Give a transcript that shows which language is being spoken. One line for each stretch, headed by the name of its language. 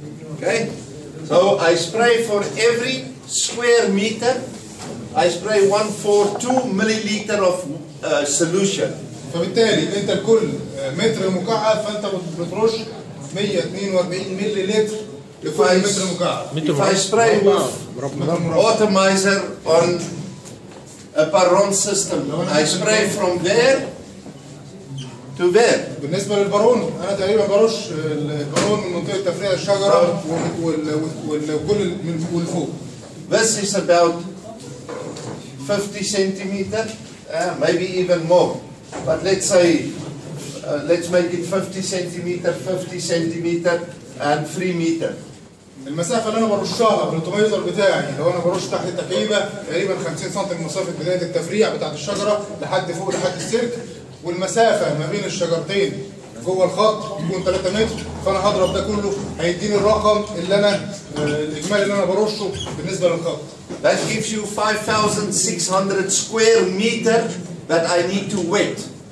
English: Okay so I spray for every square metre I spray 142 millilitre of solution.
Arabic: فبالتالي انت لكل متر مكعب فانت بترش 142 ملي لتر لكل متر مكعب.
English: If I spray with atomizer on a baron system, I spray from there to there.
Arabic: بالنسبه للبارون انا تقريبا برش البارون من منطقه تفريع الشجره والكل من فوق لفوق.
English: This is about 50 centimeter. Maybe even more, but let's say, let's make it 50 centimeter, 50 centimeter, and 3 meter.
Arabic: المسافة اللي أنا برشها بالأوتوميزر بتاعي لو أنا برش تحت التكييفة تقريبا 50 سم مسافة بداية التفريع بتاعة الشجرة لحد فوق لحد السلك والمسافة ما بين الشجرتين جوه الخط يكون 3 متر فأنا هضرب ده كله هيديني الرقم اللي أنا الإجمالي اللي أنا برشه بالنسبة للخط.
English: That gives you 5,600 square meter that I need to wet.